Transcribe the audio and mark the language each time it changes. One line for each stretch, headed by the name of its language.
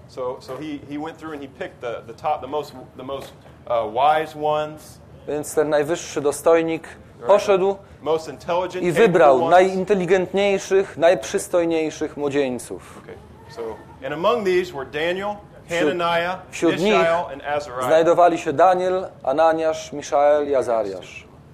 English: So he went through and he picked the top, the most wise ones.
Polish: Więc ten najwyższy dostojnik poszedł
English: most intelligent
Polish: i wybrał najinteligentniejszych, najprzystojniejszych młodzieńców.
English: Okay. So, and among these were Daniel, Hananiah,
Polish: wśród nich
English: and Azariah.
Polish: Znajdowali się Daniel, Ananiasz, Mishael i Azariasz.